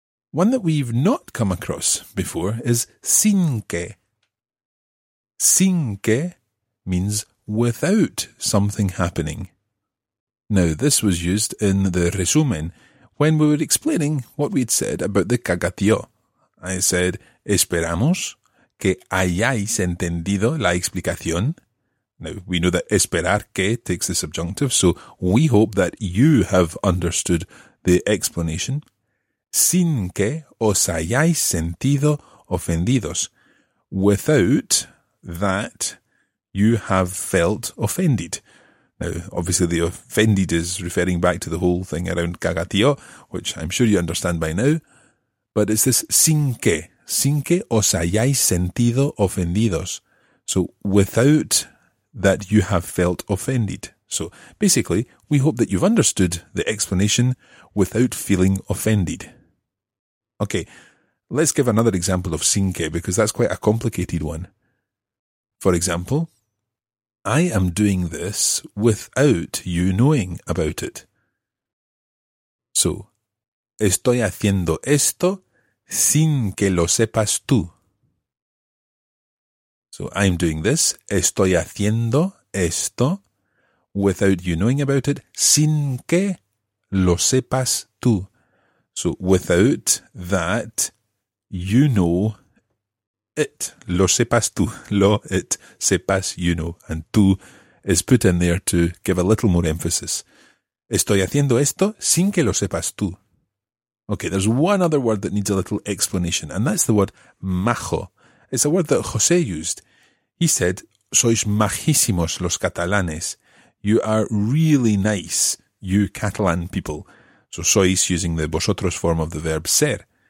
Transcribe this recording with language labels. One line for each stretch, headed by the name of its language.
English: One that we've not come across before is sin que. Sin que means without something happening. Now, this was used in the resumen when we were explaining what we'd said about the cagatío. I said,
Spanish: esperamos que hayáis entendido la explicación.
English: Now, we know that esperar que takes the subjunctive, so we hope that you have understood the explanation.
Spanish: Sin que os hayáis sentido ofendidos.
English: Without that, you have felt offended. Now, obviously the offended is referring back to the whole thing around cagatío, which I'm sure you understand by now. But it's this
Spanish: sin que os hayáis sentido ofendidos.
English: So, without that you have felt offended. So, basically, we hope that you've understood the explanation without feeling offended. Okay, let's give another example of sin que, because that's quite a complicated one. For example, I am doing this without you knowing about it. So,
Spanish: estoy haciendo esto sin que lo sepas tú.
English: So, I'm doing this,
Spanish: estoy haciendo esto,
English: without you knowing about it,
Spanish: sin que lo sepas tú.
English: So, without that, you know it.
Spanish: Lo sepas tú.
English: Lo, it, sepas, you know. And tú is put in there to give a little more emphasis.
Spanish: Estoy haciendo esto sin que lo sepas tú.
English: Okay, there's one other word that needs a little explanation, and that's the word majo. is a word that José used. He said,
Spanish: sois majísimos los catalanes.
English: You are really nice, you Catalan people. So sois using the vosotros form of the verb ser.